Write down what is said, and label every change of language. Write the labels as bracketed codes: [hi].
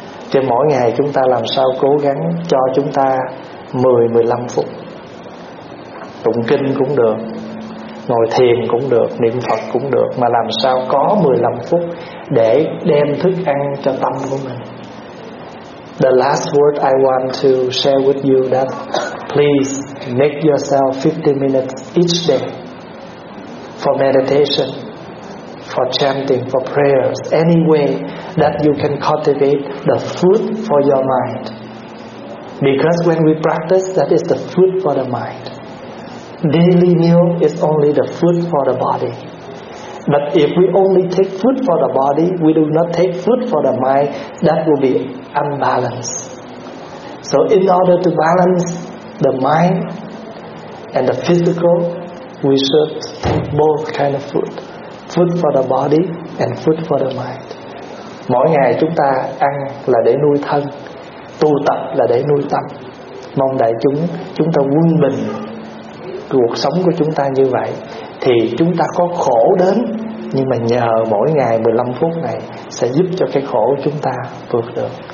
[vi] Trên mỗi ngày chúng ta làm sao cố gắng cho chúng ta 10-15 phút tụng kinh cũng được, ngồi thiền cũng được, niệm Phật cũng được, mà làm sao có 15 phút để đem thức ăn cho tâm của mình. [en] The last word I want to share with you that please make yourself 50 minutes each day for meditation, for chanting, for prayers, any way that you can cultivate the food for your mind. Because when we practice, that is the food for the mind. Daily meal is only the food for the body. But if we only take food for the body, we do not take food for the mind, that will be unbalanced. So in order to balance the mind and the physical, we should take both kind of food. Food for the body and food for the mind. [vi] Mỗi ngày chúng ta ăn là để nuôi thân, tu tập là để nuôi tâm. Mong đại chúng, chúng ta quân bình cuộc sống của chúng ta như vậy, thì chúng ta có khổ đến, nhưng mà nhờ mỗi ngày 15 phút này sẽ giúp cho cái khổ của chúng ta vượt được.